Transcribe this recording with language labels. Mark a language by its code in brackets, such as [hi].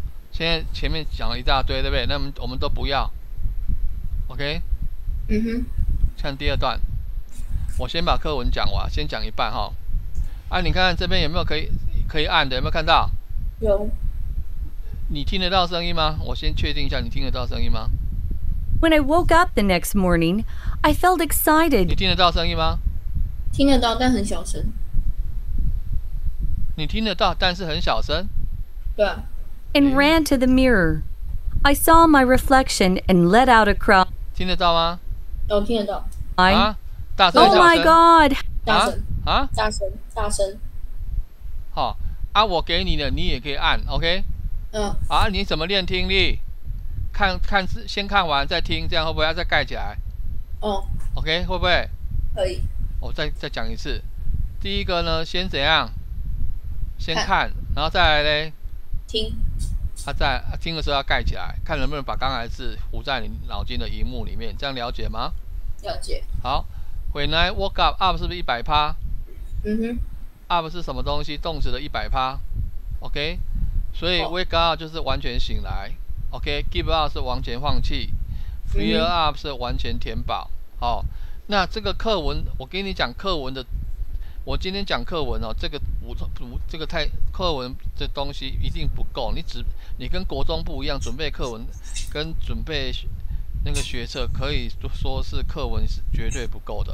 [zh] 现在前面讲了一大堆，对不对？那我们都不要 ，OK？看第二段，我先把课文讲完，先讲一半哈。啊，你看看这边有没有可以按的？有没有看到？有。你听得到声音吗？我先确定一下，你听得到声音吗？ [en] When I woke up the next morning, I felt excited. [zh] 你听得到声音吗？听得到，但很小声。你听得到，但是很小声。对。 [en] And ran to the mirror. I saw my reflection and let out a cry. [zh] 听得到吗？都听得到。啊？大声小声 [en] ？Oh my God！ [zh] 大声啊！大声大声。好啊，我给你的，你也可以按 ，OK？ 啊，你怎么练听力？看先看完再听，这样会不会要再盖起来？ OK， 会不会？可以。我再讲一次，第一个呢，先怎样？先看，然后再来嘞。听。听的时候要盖起来，看能不能把刚才的字糊在你脑筋的荧幕里面，这样了解吗？了解。好 ， [en] When I woke up， [zh] up 是不是100%？ up 是什么东西？动词的100%。 OK， 所以 wake up 就是完全醒来。OK，give、okay, up 是完全放弃 ，fill up 是完全填饱。好，那这个课文，我跟你讲课文的，我今天讲课文哦，这个补这个太课文的东西一定不够，你跟国中部一样准备课文跟准备那个学测，可以说是课文是绝对不够的。